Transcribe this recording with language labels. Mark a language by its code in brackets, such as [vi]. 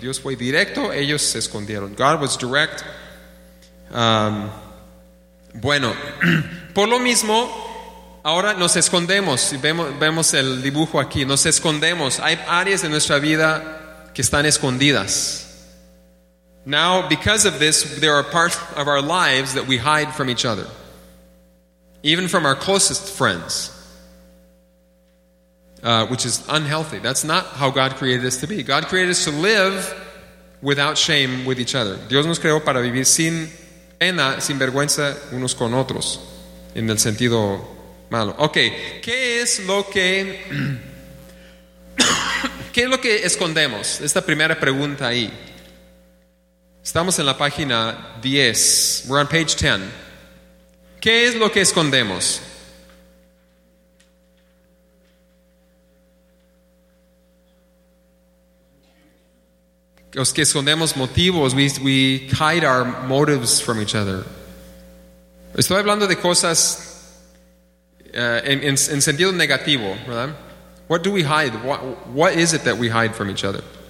[es] Dios fue directo, ellos se escondieron. [en] God was direct. [es] Bueno, por lo mismo, ahora nos escondemos. Vemos el dibujo aquí. Nos escondemos. Hay áreas de nuestra vida que están escondidas. [en] Now, because of this, there are parts of our lives that we hide from each other, even from our closest friends. Which is unhealthy. That's not how God created us to be. God created us to live without shame with each other. [es] Dios nos creó para vivir sin pena, sin vergüenza unos con otros, en el sentido malo. Okay, ¿qué es lo que escondemos? Esta primera pregunta ahí. Estamos en la página 10. [en] We're on page 10. [es] ¿Qué es lo que escondemos? Los que escondemos motivos, [en] we hide our motives from each other. [es] Estoy hablando de cosas en sentido negativo, ¿verdad? [en] What do we hide? What is it that we hide from each other?